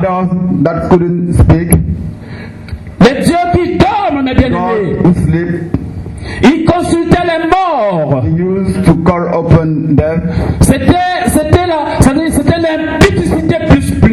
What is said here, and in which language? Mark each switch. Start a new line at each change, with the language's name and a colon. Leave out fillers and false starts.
English: Idols that couldn't speak.
French: Les dieux qui dorment, mes bien-aimés.
English: God who sleep.
French: Ils consultaient les morts.
English: They used to call upon them.
French: C'était l'impudicité plus plus.